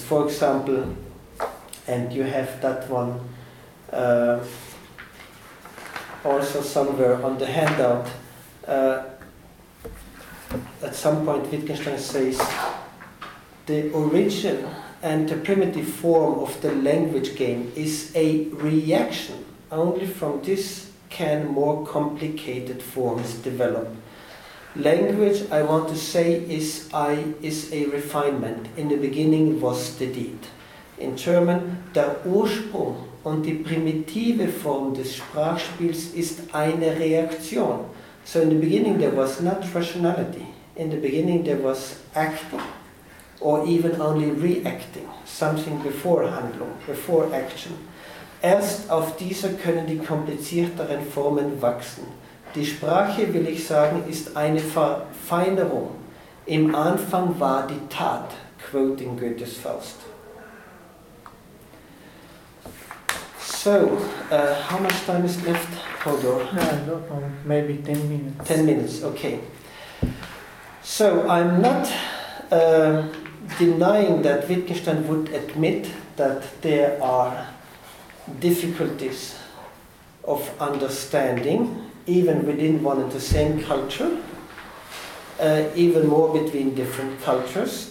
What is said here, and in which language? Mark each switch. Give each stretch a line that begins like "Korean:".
English: For example, and you have that one also somewhere on the handout, at some point Wittgenstein says, the origin and the primitive form of the language game is a reaction. Only from this can more complicated forms develop. Language, I want to say, is a refinement. In the beginning was the deed. In German,
German: der Ursprung und die primitive Form des Sprachspiels ist eine Reaktion.
English: So in the beginning there was not rationality. In the beginning there was acting, or even only reacting, something before Handlung, before action.
German: Erst auf dieser können die komplizierteren Formen wachsen. Die Sprache, will ich sagen, ist eine Verfeinerung. Im Anfang war die Tat,
English: quoting Goethes Faust. So, how much time is left, Hodor? I don't know, maybe 10 minutes. 10 minutes, okay. So, I'm not denying that Wittgenstein would admit that there are difficulties of understanding, even within one and the same culture, even more between different cultures.